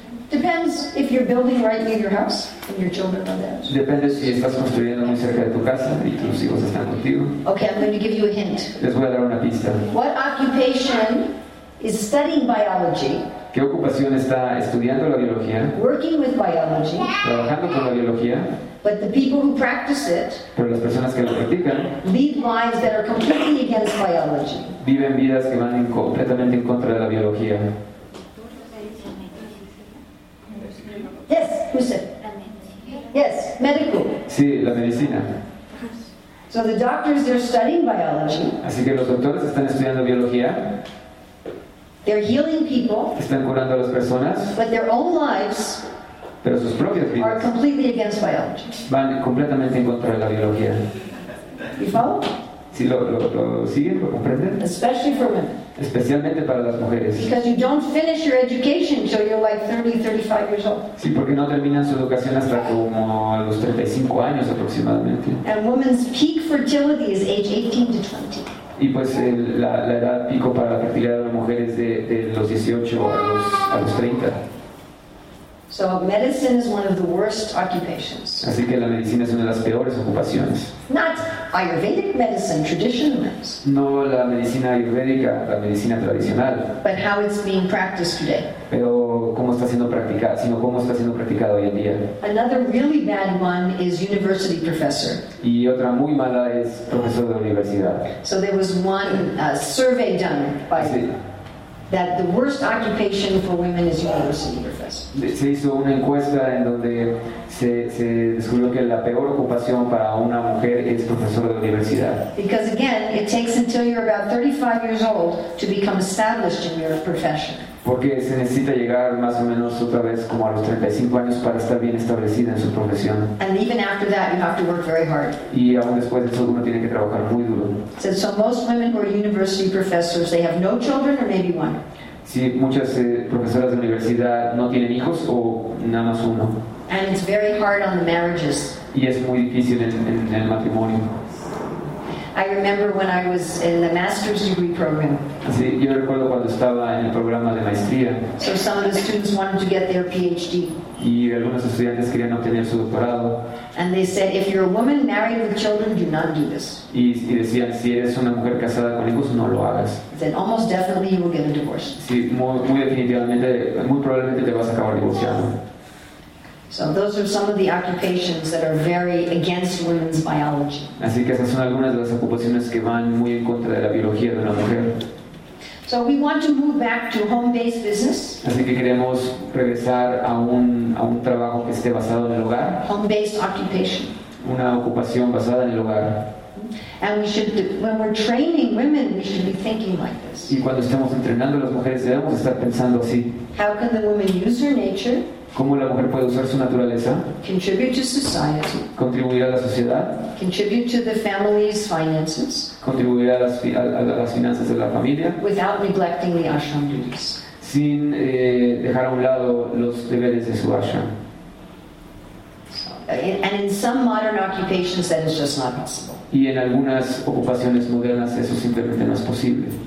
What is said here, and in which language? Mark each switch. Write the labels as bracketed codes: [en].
[en] Depends if you're building right near your house and your children are there. [es] Depende si estás construyendo muy cerca de tu casa y tus hijos están contigo. [en] Okay, I'm going to give you a hint. [es] Les voy a dar una pista. [en] What occupation is studying biology? [es] ¿Qué ocupación está estudiando la biología? [en] Working with biology. [es] Trabajando con la biología. [en] But the people who practice it, [es] pero las personas que lo practican, [en] lead lives that are completely against biology. [es] Viven vidas que van completamente en contra de la biología. [en] Yes, who said? Yes, medical. [es] Sí, la medicina. [en] So the doctors, they're studying biology. [es] Así que los doctores están estudiando biología. [en] They're healing people. [es] Están curando a las personas. [en] But their own lives, [es] pero sus propias vidas, [en] are completely against biology. [es] Van completamente en contra de la biología. [en] You follow? [es] Si lo siguen, lo comprenden. [en] Especially for women. [es] Especialmente para las mujeres. [en] Because you don't finish your education until you're like 30, 35 years old. [es] Sí, porque no terminan su educación hasta como a los 35 años aproximadamente. [en] And women's peak fertility is age 18 to 20. [es] Y pues la edad pico para la fertilidad de las mujeres de los 18 a los 30. [en] So medicine is one of the worst occupations. [es] Así que la medicina es una de las peores ocupaciones. [en] Not Ayurvedic medicine, traditional medicine. [es] No la medicina ayurvédica, la medicina tradicional. [en] But how it's being practiced today. [es] Pero cómo está siendo practicada, sino cómo está siendo practicada hoy en día. [en] Another really bad one is university professor. [es] Y otra muy mala es profesor de universidad. [en] So there was one survey done by. [es] Sí. [en] That the worst occupation for women is university professor. [es] Se hizo una encuesta en donde se descubrió que la peor ocupación para una mujer es profesor de universidad. [en] Because again, it takes until you're about 35 years old to become established in your profession. [es] Porque se necesita llegar más o menos otra vez como a los 35 años para estar bien establecida en su profesión. [en] And even after that, you have to work very hard. [es] Y aún después de eso, uno tiene que trabajar muy duro. [en] So most women who are university professors, they have no children or maybe one. [es] Sí, muchas profesoras de universidad no tienen hijos o nada más uno. [en] And it's very hard on the marriages. [es] Y es muy difícil en el matrimonio. [en] I remember when I was in the master's degree program. [es] Sí, yo recuerdo cuando estaba en el programa de maestría. [en] So some of the students wanted to get their PhD. [es] Y algunos estudiantes querían obtener su doctorado. [en] And they said, if you're a woman married with children, do not do this. [es] Y decían, si eres una mujer casada con hijos, no lo hagas. [en] Then almost definitely you will get a divorce. [es] Sí, muy definitivamente, muy probablemente te vas a acabar divorciando. [en] So those are some of the occupations that are very against women's biology. [es] Así que esas son algunas de las ocupaciones que van muy en contra de la biología de la mujer. [en] So we want to move back to home-based business. [es] Así que queremos regresar a un trabajo que esté basado en el hogar. [en] Home-based occupation. [es] Una ocupación basada en el hogar. [en] And we should, when we're training women, we should be thinking like this. [es] Y cuando estamos entrenando a las mujeres, debemos estar pensando así. [en] How can the woman use her nature? [es] ¿Cómo la mujer puede usar su naturaleza? [en] Contribute to society. [es] Contribuir a la sociedad. [en] Contribute to the family's finances. [es] Contribuir a las finanzas de la familia. [en] Without neglecting the ashram duties. [es] Sin dejar a un lado los deberes de su ashram. [en] And in some modern occupations, that is just not possible. [es] Y en algunas ocupaciones modernas, eso simplemente no es posible.